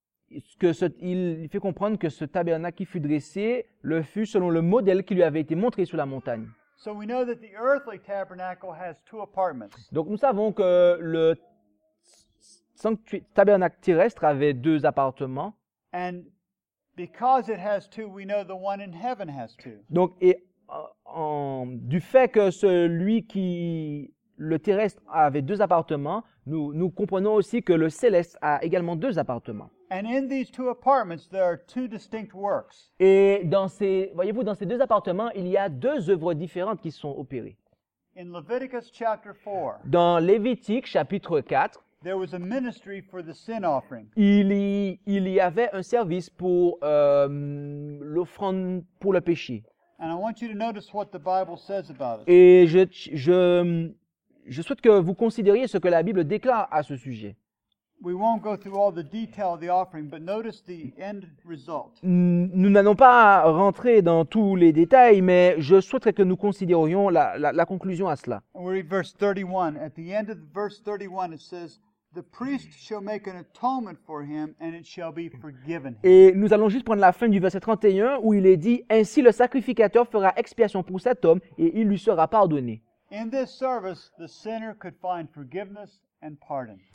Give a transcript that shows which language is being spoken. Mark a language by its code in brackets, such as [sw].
[fr] Il fait comprendre que ce tabernacle qui fut dressé le fut selon le modèle qui lui avait été montré sur la montagne. [en] So we know that the earthly tabernacle has two apartments. [fr] Donc nous savons que le tabernacle terrestre avait deux appartements. [en] And because it has two, we know the one in heaven has two. [fr] Donc et du fait que celui qui le terrestre avait deux appartements, nous comprenons aussi que le céleste a également deux appartements. [en] And in these two apartments, there are two distinct works. [fr] Et dans ces deux appartements, il y a deux œuvres différentes qui sont opérées. [en] In Leviticus chapter 4. [fr] Dans Lévitique chapitre 4. [en] There was a ministry for the sin offering. [fr] Il y avait un service pour l'offrande pour le péché. [en] And I want you to notice what the Bible says about it. [fr] Et je souhaite que vous considériez ce que la Bible déclare à ce sujet. [en] We won't go through all the detail of the offering, but notice the end result. [fr] Nous n'allons pas rentrer dans tous les détails, mais je souhaiterais que nous considérions la conclusion à cela. [en] We read verse 31. At the end of verse 31, it says, "The priest shall make an atonement for him, and it shall be forgiven him." [fr] Et nous allons juste prendre la fin du verset 31 où il est dit, "Ainsi le sacrificateur fera expiation pour cet homme, et il lui sera pardonné." [en] In this service, the sinner could find forgiveness and pardon.